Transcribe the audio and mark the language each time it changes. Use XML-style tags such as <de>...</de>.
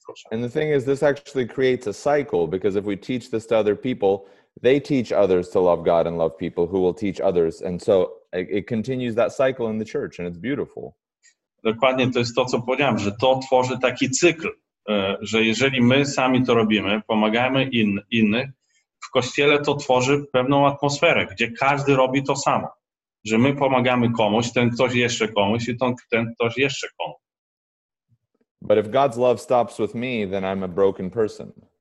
<en>And the thing is, this actually creates a cycle, because if we teach this to other people, they teach others to love God and love people who will teach others. And so it continues that cycle in the church, and it's beautiful.</en> <pl>Dokładnie to jest to, co powiedziałem, że to tworzy taki cykl, że jeżeli my sami to robimy, pomagamy innych, w kościele to tworzy pewną atmosferę, gdzie każdy robi to samo, że my pomagamy komuś, ten ktoś jeszcze komuś i ten ktoś jeszcze komuś.</pl> <en>But if God's love stops with me, then I'm a broken person.</en>